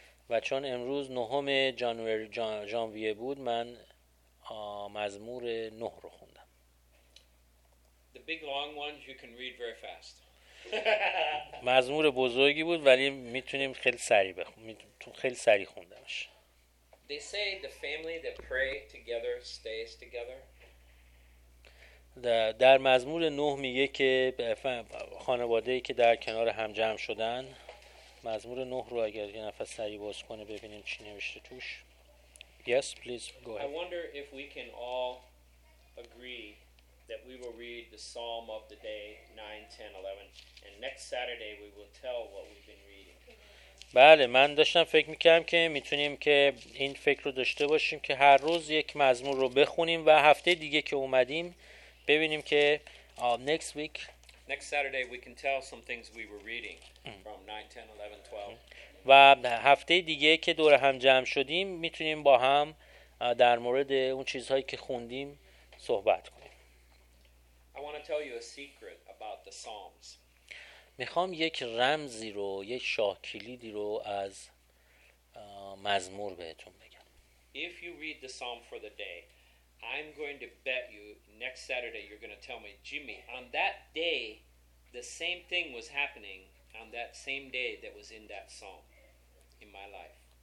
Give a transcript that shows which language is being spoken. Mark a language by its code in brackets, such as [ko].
[fa] و چون امروز نهم ژانویه بود، من مزمور 9 رو خوندم. [en] Big long ones you can read very fast. [fa] مزمور بزرگی بود ولی میتونیم خیلی سریع بخونیم. خیلی سریع خوندمش. [en] They say the family that pray together stays together. [fa] در مزمور 9 میگه که خانواده‌ای که در کنار هم جمع شدن، مزمور 9 رو اگر یه نفس سریع باز کنه ببینیم چی نوشته توش. [en] Yes, please go ahead. I wonder if we can all agree that we will read the psalm of the day 9 10 11, and next Saturday we will tell what we've been reading. [fa] بله، من داشتم فکر می‌کردم که میتونیم که این فکر رو داشته باشیم که هر روز یک مزمور رو بخونیم و هفته دیگه که اومدیم ببینیم که [en] next Saturday we can tell some things we were reading from 9 10 11 12. [fa] و هفته دیگه که دور هم جمع شدیم میتونیم با هم در مورد اون چیزهایی که خوندیم صحبت کنیم. [en] I want to tell you a secret about the Psalms. [fa] میخوام یک رمزی رو، یک شاه کلیدی رو از مزمور بهتون بگم. [en] If you read the psalm for the day, I'm going to bet you next Saturday you're going to tell me, Jimmy, on that day the same thing was happening on that same day that was in that psalm in my life.